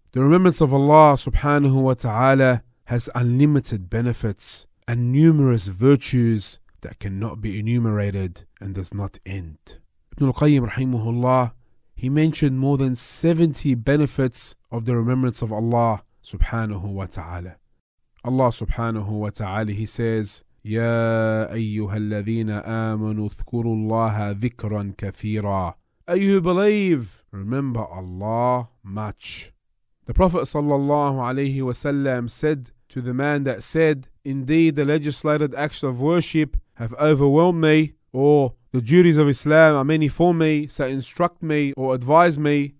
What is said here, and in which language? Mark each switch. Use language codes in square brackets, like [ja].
[en] The remembrance of Allah subhanahu wa ta'ala has unlimited benefits and numerous virtues that cannot be enumerated and does not end. Ibn al-Qayyim rahimahullah, he mentioned more than 70 benefits of the remembrance of Allah subhanahu wa ta'ala. Allah subhanahu wa ta'ala, he says, [ar] يَا أَيُّهَا الَّذِينَ آمَنُوا اذْكُرُوا اللَّهَ ذِكْرًا كَثِيرًا. [en] Are you who believe, remember Allah much. The Prophet sallallahu alayhi wa sallam said to the man that said, indeed the legislated acts of worship have overwhelmed me, or the duties of Islam are many for me, so instruct me or advise me.